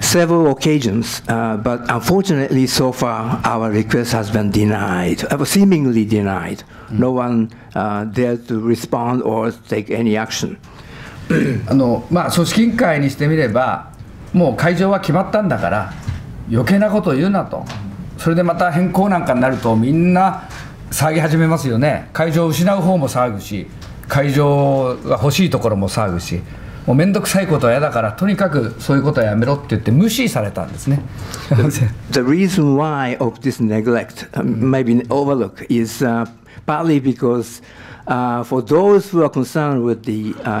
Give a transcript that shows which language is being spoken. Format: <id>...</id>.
<en>Several occasions, but unfortunately so far our request has been denied, seemingly denied. No one dared to respond or take any action.</en> <ja>あの、まあ、組織委員会にしてみれば、もう会場は決まったんだから余計なことを言うなと、それでまた変更なんかになるとみんな騒ぎ始めますよね。会場を失う方も騒ぐし、会場が欲しいところも騒ぐし、もうめんどくさいことは嫌だから、とにかくそういうことはやめろって言って無視されたんですね。</ja> <en>The reason why of this neglect, maybe overlook, is partly because for those who are concerned with the</en>